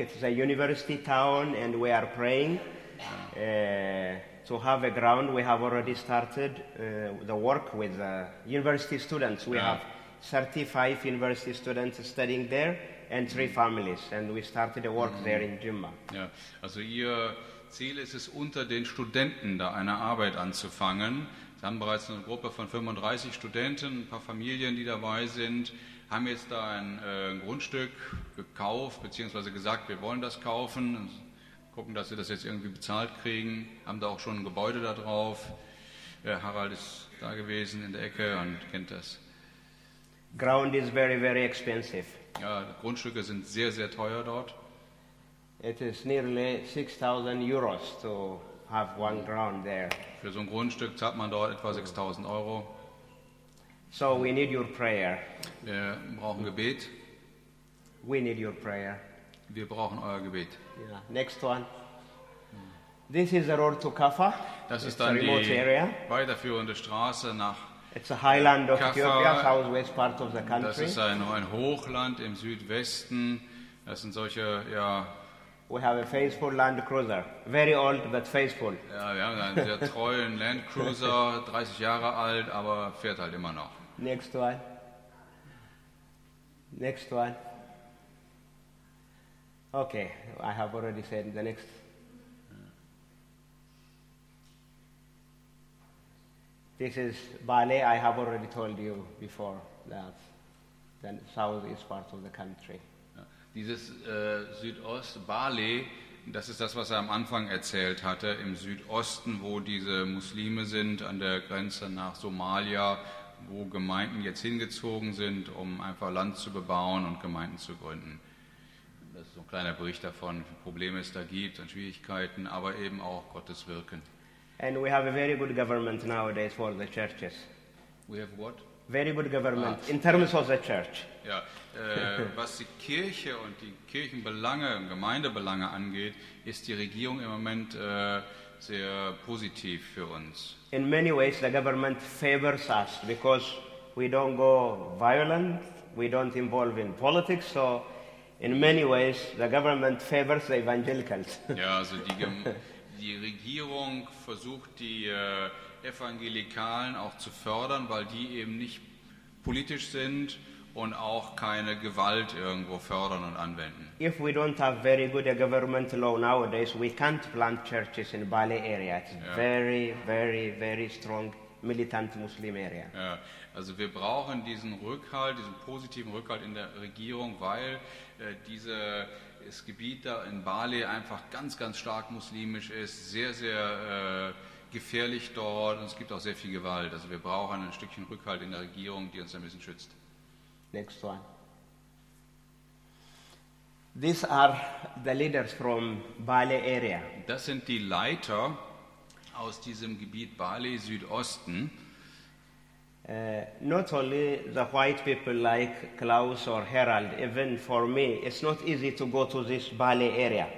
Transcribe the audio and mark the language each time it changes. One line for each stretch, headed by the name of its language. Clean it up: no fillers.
English: It is a university town and we are praying. To have a ground, we have already started the work with university students. We have 35 university students studying there and 3 families, and we started the work there in Jimma.
German: Ja, also ihr Ziel ist es, unter den Studenten da eine Arbeit anzufangen. Sie haben bereits eine Gruppe von 35 Studenten, ein paar Familien, die dabei sind, haben jetzt da ein Grundstück gekauft beziehungsweise gesagt, wir wollen das kaufen. Gucken, dass sie das jetzt irgendwie bezahlt kriegen. Haben da auch schon ein Gebäude da drauf. Harald ist da gewesen in der Ecke und kennt das.
English: Ground is very, very expensive.
German: Ja, Grundstücke sind sehr, sehr teuer dort.
English: It is nearly 6,000 euros to have one ground there.
German: Für so ein Grundstück zahlt man dort etwa 6,000 Euro.
English: So we need your prayer.
German: Wir brauchen Gebet.
English: We need your prayer.
German: Wir brauchen euer Gebet.
English: Yeah. Next one. This is the road to Kaffa.
German: Das ist dann die weiterführende Straße nach
English: It's a highland of Ethiopia, southwest part of the country.
German: Das ist ein Hochland im Südwesten. Das sind solche, ja.
English: We have a faithful Land Cruiser, very old but faithful.
German: Ja, wir haben einen sehr treuen Land Cruiser, 30 Jahre alt, aber fährt halt immer noch.
English: Next one. Next one. Okay, I have already said the next. This is Bali. I have already told you before that the southeast part of the country.
German: Dieses Südost Bali, das ist das, was er am Anfang erzählt hatte, im Südosten, wo diese Muslime sind, an der Grenze nach Somalia, wo Gemeinden jetzt hingezogen sind, um einfach Land zu bebauen und Gemeinden zu gründen. Das ist so ein kleiner Bericht davon, wie viele Probleme es da gibt und Schwierigkeiten, aber eben auch Gottes Wirken.
English: And we have a very good government nowadays for the churches. We have what? Very good government in terms of the church.
German: Ja, was die Kirche und die Kirchenbelange und Gemeindebelange angeht, ist die Regierung im Moment sehr positiv für uns.
English: In many ways the government favors us because we don't go violent, we don't involve in politics, so in many ways the government favors the evangelicals.
German: Ja, also die Regierung versucht die Evangelikalen auch zu fördern, weil die eben nicht politisch sind und auch keine Gewalt irgendwo fördern und anwenden.
English: If we don't have very good a government law nowadays, we can't plant churches in Bali area. It's very, very, very strong militant Muslim area.
German: Ja. Also wir brauchen diesen Rückhalt, diesen positiven Rückhalt in der Regierung, weil dieses Gebiet da in Bali einfach ganz, ganz stark muslimisch ist, sehr, sehr gefährlich dort und es gibt auch sehr viel Gewalt. Also wir brauchen ein Stückchen Rückhalt in der Regierung, die uns ein bisschen schützt.
English: Next one. These are the leaders from Bali area.
German: Das sind die Leiter aus diesem Gebiet Bali Südosten.
English: Not only the white people like Klaus or Harald, even for me, it's not easy to go to this Bali area.